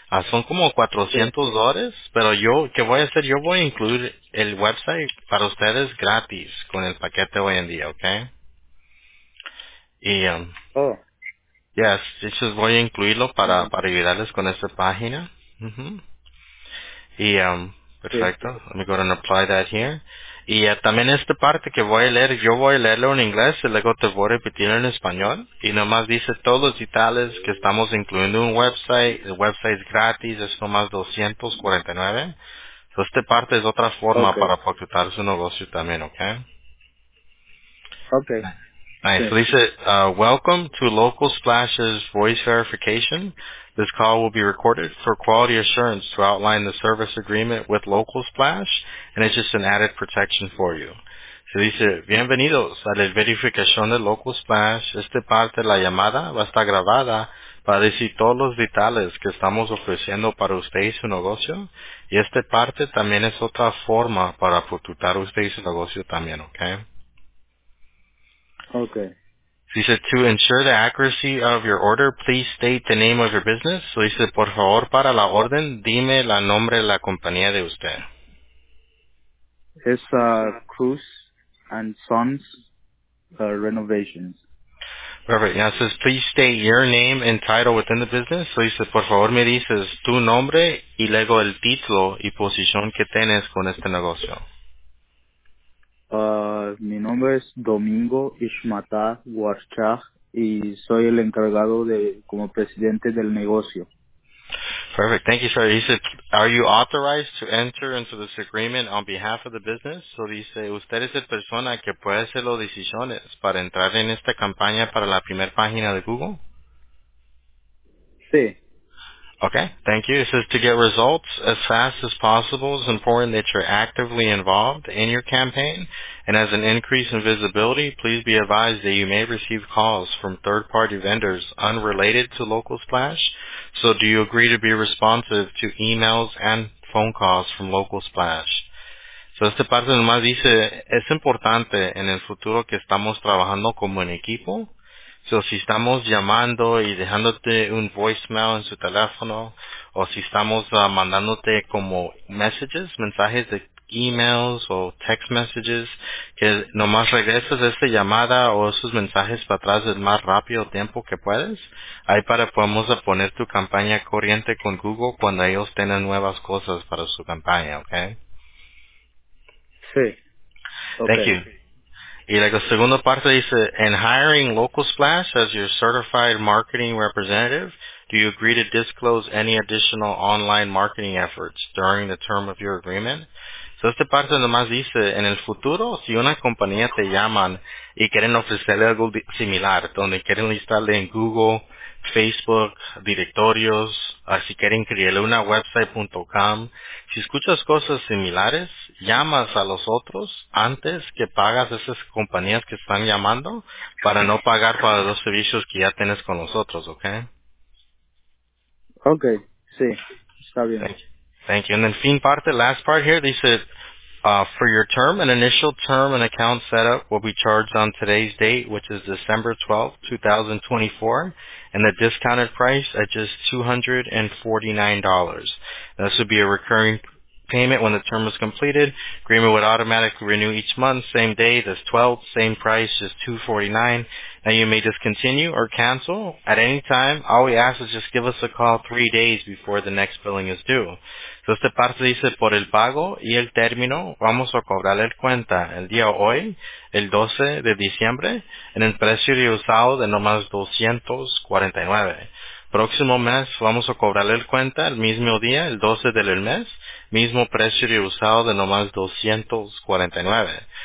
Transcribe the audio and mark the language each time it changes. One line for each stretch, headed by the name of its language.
Spanish: Son como $400, pero yo, ¿qué voy a hacer? Yo voy a incluir el website para ustedes gratis con el paquete hoy en día, ¿ok? Y,
English: yes,
Spanish: eso voy a incluirlo para ayudarles con esta página.
English: Y, perfecto, I'm going to apply that here.
Spanish: Y también esta parte que voy a leer, yo voy a leerlo en inglés y luego te voy a repetir en español. Y nomás dice todos los detalles que estamos incluyendo un website. El website es gratis, es nomás $249. Entonces, esta parte es otra forma para pactar su negocio también, ¿ok?
English: Okay. Nice.
Spanish: So dice,
English: welcome to Local Splash's voice verification. This call will be recorded for quality assurance to outline the service agreement with Local Splash, and it's just an added protection for you.
Spanish: So dice, bienvenidos a la verificación de Local Splash. Esta parte de la llamada va a estar grabada para decir todos los detalles que estamos ofreciendo para usted y su negocio. Y esta parte también es otra forma para facturar usted y su negocio también, okay?
English: Okay. He said, to ensure the accuracy of your order, please state the name of your business. So he said,
Spanish: por favor, para la orden, dime la nombre de la compañía de usted.
English: It's Cruz and Sons Renovations. Perfect. Now it says, please state your name and title within the business. So he said,
Spanish: por favor, me dices tu nombre y luego el título y posición que tienes con este negocio. Mi nombre es Domingo Ishmata Warchak y soy el encargado de como presidente del negocio.
English: Perfect. Thank you, sir. He said, are you authorized to enter into this agreement on behalf of the business?
Spanish: So dice, usted es la persona que puede hacer las decisiones para entrar en esta campaña para la primera página de Google? Sí.
English: Okay, thank you. It says, to get results as fast as possible, it's important that you're actively involved in your campaign. And as an increase in visibility, please be advised that you may receive calls from third-party vendors unrelated to Local Splash. So do you agree to be responsive to emails and phone calls from Local Splash?
Spanish: So esta parte nomás dice, es importante en el futuro que estamos trabajando como en equipo. So, si estamos llamando y dejándote un voicemail en su teléfono, o si estamos mandándote como messages, mensajes de emails o text messages, que nomás regresas esa llamada o esos mensajes para atrás el más rápido tiempo que puedes, ahí para podemos poner tu campaña corriente con Google cuando ellos tengan nuevas cosas para su campaña, ¿ok? Sí.
English: Okay. Thank you.
Spanish: Y la segunda parte dice,
English: in hiring Local Splash as your certified marketing representative, do you agree to disclose any additional online marketing efforts during the term of your agreement?
Spanish: So esta parte nomás dice, en el futuro, si una compañía te llaman y quieren ofrecerle algo similar, donde quieren listarle en Google, Facebook, directorios, si quieren crearle una website.com, si escuchas cosas similares, llamas a los otros antes que pagas a esas compañías que están llamando para no pagar para los servicios que ya tienes con los otros, ¿ok? Ok, sí, está bien.
English: Thank you. And then fin parte, last part here, dice, for your term, an initial term and account setup will be charged on today's date, which is December 12, 2024, and the discounted price at just $249. This would be a recurring payment when the term was completed. Agreement would automatically renew each month, same day, this 12th, same price, just $249. Now you may discontinue or cancel at any time. All we ask is just give us a call 3 days before the next billing is due.
Spanish: So esta parte dice, por el pago y el término, vamos a cobrarle cuenta el día hoy, el 12 de diciembre, en el precio de usado de nomás $249. Próximo mes, vamos a cobrarle cuenta el mismo día, el 12 del mes, mismo precio de usado de nomás $249.